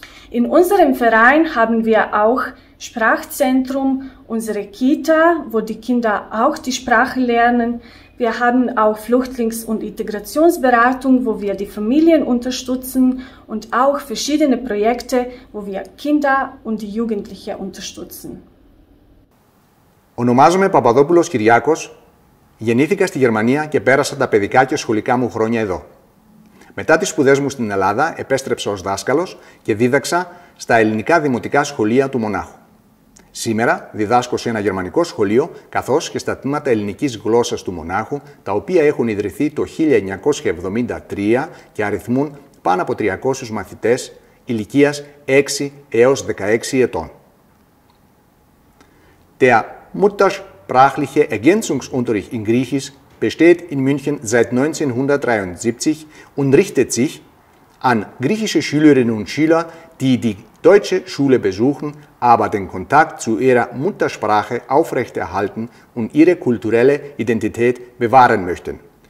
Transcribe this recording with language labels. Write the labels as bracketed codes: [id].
[de] In unserem Verein haben wir auch Sprachzentrum, unsere Kita, wo die Kinder auch die Sprache lernen. Wir haben auch Flüchtlings- und Integrationsberatung, wo wir die Familien unterstützen und auch verschiedene Projekte, wo wir Kinder und die Jugendliche unterstützen. [el] Ονομάζομαι Παπαδόπουλος Κυριάκος. Γεννήθηκα στη Γερμανία και πέρασα τα παιδικά και σχολικά μου χρόνια εδώ. Μετά τις σπουδές μου στην Ελλάδα επέστρεψα ως δάσκαλος και δίδαξα στα ελληνικά δημοτικά σχολεία του Μονάχου. Σήμερα διδάσκω σε ένα γερμανικό σχολείο καθώς και στα τμήματα ελληνικής γλώσσας του Μονάχου τα οποία έχουν ιδρυθεί το 1973 και αριθμούν πάνω από 300 μαθητές ηλικίας 6 έως 16 ετών. [de] Der muttersprachliche Ergänzungsunterricht in Griechisch besteht in München seit 1973 und richtet sich an griechische Schülerinnen und Schüler, die die deutsche Schule besuchen, aber den Kontakt zu ihrer Muttersprache aufrechterhalten und ihre kulturelle Identität bewahren möchten.